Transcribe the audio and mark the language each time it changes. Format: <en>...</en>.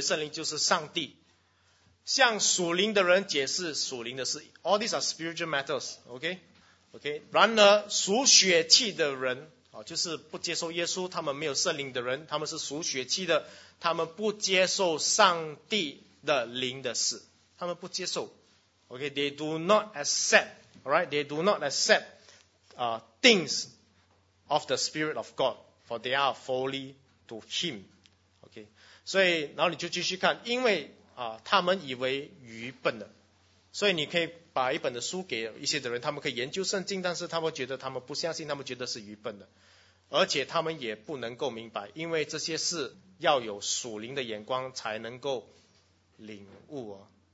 <zh>圣灵就是上帝，向属灵的人解释属灵的事。</zh> <en>All these are spiritual matters. OK.”</en> <zh>OK， 然而属血气的人，就是不接受耶稣，他们没有圣灵的人，他们是属血气的，他们不接受上帝的灵的事，他们不接受。</zh> <en>OK， they do not accept， alright， they do not accept things of the spirit of God， for they are folly to him。</en> <zh>OK， 所以然后你就继续看，因为他们以为愚笨了，所以你可以。把一本的书给一些的人，他们可以研究圣经，但是他们觉得他们不相信，他们觉得是愚笨的，而且他们也不能够明白，因为这些事要有属灵的眼光才能够领悟哦。</zh>